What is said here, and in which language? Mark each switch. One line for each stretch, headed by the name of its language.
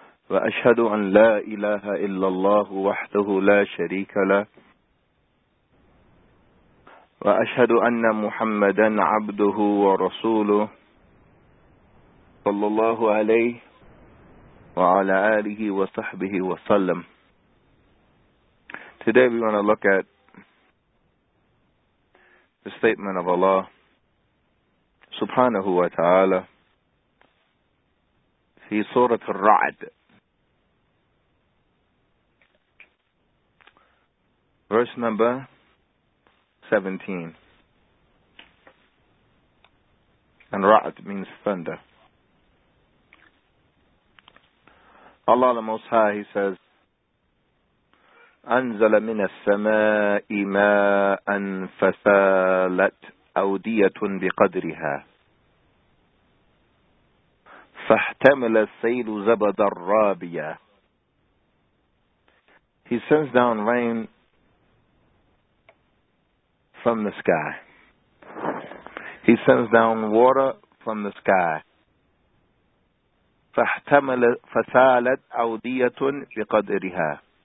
Arabic: وأشهد أن لا إله إلا الله وحده لا شريك له وأشهد أن محمدا عبده ورسوله صلى الله عليه وعلى آله وصحبه وسلم.
English: Today we want to look at the statement of Allah subhanahu wa ta'ala
Arabic: في سورة الرعد.
English: Verse number 17. And Ra'd means thunder. Allah the Most High, He says,
Arabic: أنزل من السماء ماء فسالت أودية بقدرها فاحتمل السيل زبدا رابيا.
English: He sends down rain from the sky. He sends down water from the sky.
Arabic: فَسَالَتْ أَوْدِيَةٌ بِقَدْرِهَا.